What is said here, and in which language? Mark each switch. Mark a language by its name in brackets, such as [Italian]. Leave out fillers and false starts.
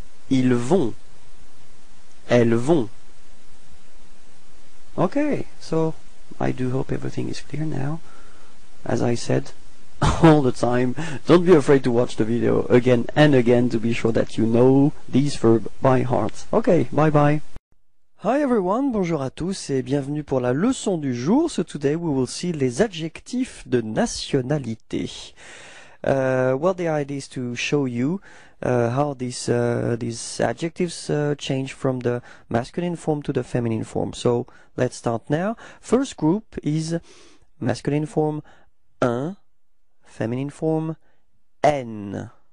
[French] ils vont, elles vont. [English] Okay, so I do hope everything is clear now. As I said all the time, don't be afraid to watch the video again and again to be sure that you know these verbs by heart. Okay, bye bye. Hi everyone, [French] bonjour à tous et bienvenue pour la leçon du jour. [English] So today we will see les adjectifs de nationalité. Well, the idea is to show you how these adjectives change from the masculine form to the feminine form. So let's start now. First group is masculine form un, feminine form n.